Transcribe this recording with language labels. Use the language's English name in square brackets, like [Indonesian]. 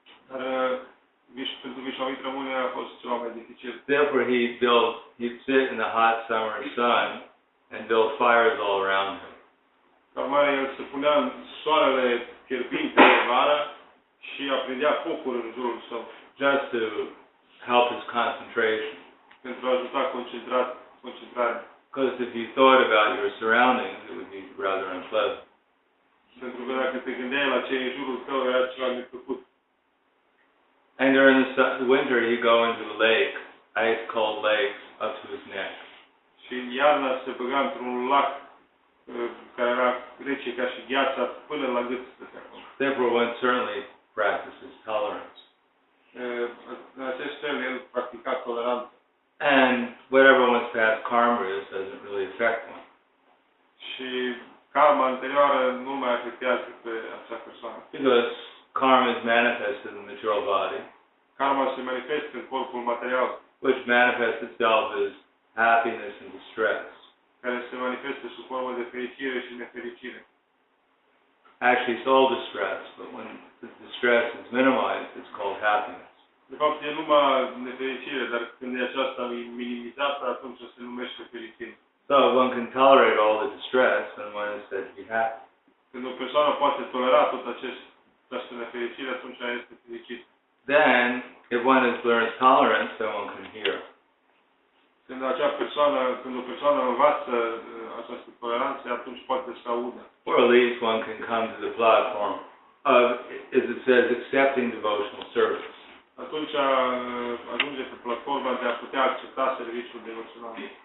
[Romanian] Dar pentru Vishvamitra Muni a fost ceva mai dificil. [English] Therefore he'd sit in the hot summer sun and build fires all around him. [Romanian] Urmare, el se punea în soarele fierbinte de vară și aprindea focuri în jurul său. [English] Just to help his concentration. [Romanian] Pentru a ajuta concentrarea. [English] Because if you thought about your surroundings, it would be rather unpleasant. [Romanian] Pentru că dacă te gândeai la ce e în jurul tău, era ceva neplăcut. [English] And during the winter, you go into the lake, ice cold lake, up to his neck. [Romanian] Și în iarnă se băga într-un lac care era rece ca și gheața până la gât. [English] Therefore, one certainly practices tolerance. [Romanian] Acest fel, el practica toleranță. [English] And whatever one's past karma is doesn't really affect one. [Romanian] Și karma anterioară nu mai afectează pe acea persoană. [English] Because karma is manifested in the material body. [Romanian] Karma se manifestă în corpul material. [English] Which manifests itself as happiness and distress. [Romanian] Care se manifestă sub formă de fericire și nefericire. [English] Actually, it's all distress, but when the distress is minimized, it's called happiness. [Romanian] De fapt, e numai nefericire, dar când e aceasta minimizată, atunci se numește fericire. [English] So one can tolerate all the distress and one is said to be happy. [Romanian] Când o persoană poate tolera tot această nefericire, atunci ea este fericită. [English] Then, if one has learned tolerance, then one can hear. [Romanian] Când o persoană învață această toleranță, atunci poate să audă. [English] Or at least one can come to the platform of, as it says, accepting devotional service. [Romanian] Atunci ajunge pe platforma de a putea accepta serviciul devoțional.